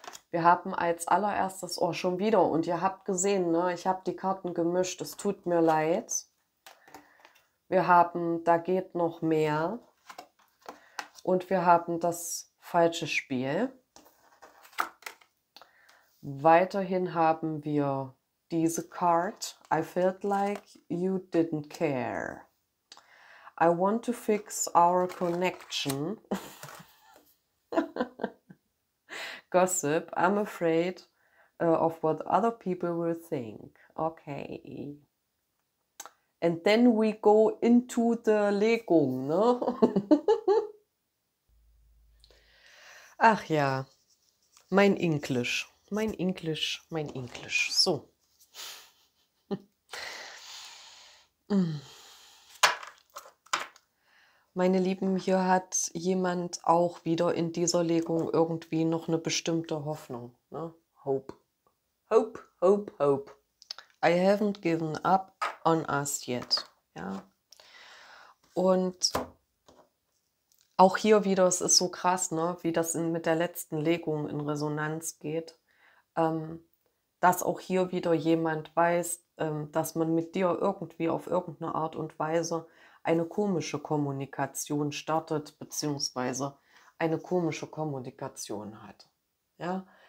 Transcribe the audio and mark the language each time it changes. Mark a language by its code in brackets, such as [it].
[de] Wir haben als allererstes, oh, schon wieder, und ihr habt gesehen, ne, ich habe die Karten gemischt, es tut mir leid. Wir haben, da geht noch mehr. Und wir haben das falsche Spiel. Weiterhin haben wir diese Card. [en] I felt like you didn't care. I want to fix our connection. Gossip. I'm afraid of what other people will think. Okay. And then we go into the Legung, ne? [de] Ach ja, mein Englisch, mein Englisch, mein Englisch. So. Meine Lieben, hier hat jemand auch wieder in dieser Legung irgendwie noch eine bestimmte Hoffnung. [en] Ne? Hope. Hope, hope, hope. I haven't given up on us yet. [de] Ja. Und Auch hier wieder, es ist so krass, ne, wie das mit der letzten Legung in Resonanz geht, dass auch hier wieder jemand weiß, dass man mit dir irgendwie auf irgendeine Art und Weise eine komische Kommunikation startet, beziehungsweise eine komische Kommunikation hat. Ja?